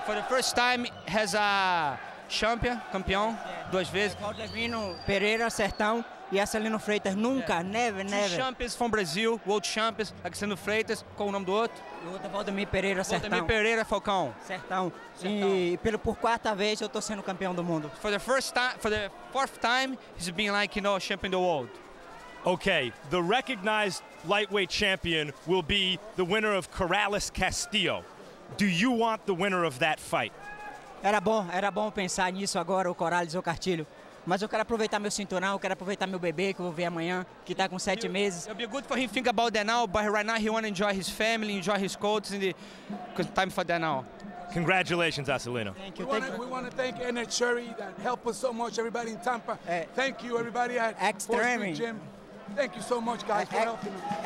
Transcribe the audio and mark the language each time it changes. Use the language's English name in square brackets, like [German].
[English] For the first time, has a champion, [Portuguese] campeão, duas vezes. Claudio Pereira, Sertão, e Acelino Frietas, nunca, [English] never, never. Two champions from Brazil, world champions, Acelino Frietas, [Portuguese] qual o nome do outro? Valdemir Pereira, Sertão. Valdemir Pereira, Falcão. Sertão. Sertão. E por quarta vez eu estou sendo campeão do mundo. [English] For the first time, for the fourth time, he's been like, you know, champion of the world. Okay, the recognized lightweight champion will be the winner of Corrales Castillo. Do you want the winner of that fight? [Portuguese] Era bom pensar nisso agora, o Corrales ou o Castillo. Mas eu quero aproveitar meu cinturão, eu quero aproveitar meu bebê que eu vou ver amanhã, que tá com 7 meses. [English] It'll be good for him to think about that now, but right now he wants to enjoy his family, enjoy his coaches, and it's time for that now. Congratulations, Acelino. Thank you. We want to thank NHRE that helped us so much, everybody in Tampa. Thank you, everybody at Extreme Gym. Thank you so much, guys, for helping us.